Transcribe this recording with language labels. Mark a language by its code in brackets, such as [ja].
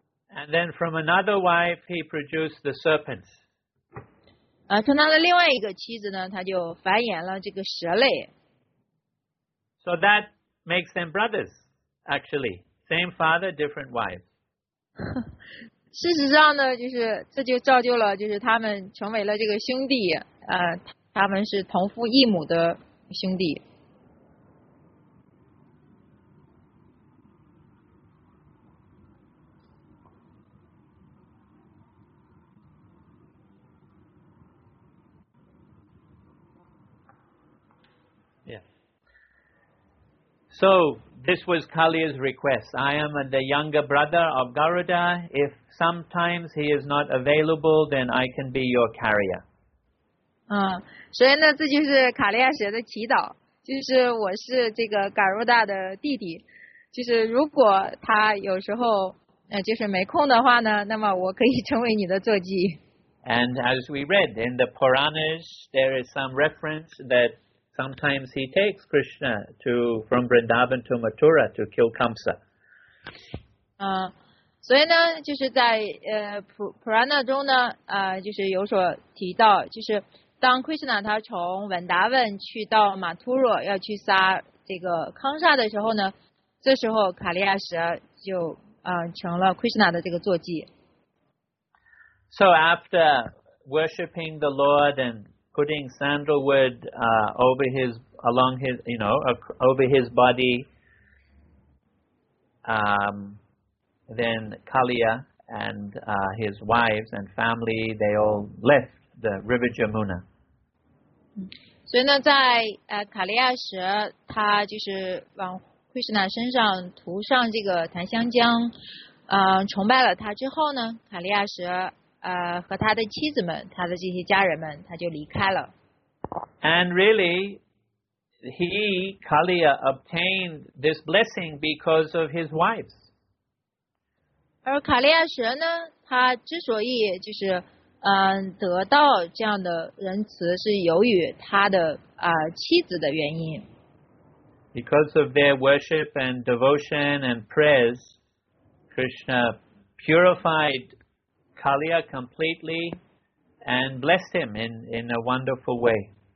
[en] And then from another wife, he produced the serpent. [zh] 从他的另外一个妻子呢，他就繁衍了这个蛇类。 [en] So that makes them brothers, actually. Same father, different wife. [zh] 事实上呢，就是这就造就了，就是他们成为了这个兄弟，他们是同父异母的兄弟。 [en] So this was Kaliya's request. I am the younger brother of Garuda. If sometimes he is not available, then I can be your carrier. [zh] 所以呢，这就是卡利亚蛇的祈祷，就是我是这个 Garuda 的弟弟，就是如果他有时候就是没空的话呢，那么我可以成为你的坐骑。 [en] And as we read in the Puranas, there is some reference that. Sometimes he takes Krishna from Vrindavan to Mathura to kill Kamsa. [zh] 所以呢，就是在Purana 中呢，就是有所提到，就是当 Krishna 他从 Vrindavan 去到 Mathura 要去杀这个康萨的时候呢，这时候卡利亚蛇就成了 Krishna 的这个坐骑。 [en] So after worshipping the Lord and putting sandalwood over his body, then Kaliya and his wives and family, they all left the river Jamuna. [zh] 所以呢，在卡利亚蛇他就是往慧士娜身上涂上这个檀香浆，崇拜了他之后呢，卡利亚蛇。和他的妻子们，他的这些家人们，他就离开了。 [en] And really, Kaliya obtained this blessing because of his wives. [zh] 而卡利亚蛇呢，他之所以就是得到这样的仁慈，是由于他的妻子的原因。 [en] Because of their worship and devotion and prayers, Krishna purified. Kaliya completely and blessed him in a wonderful way.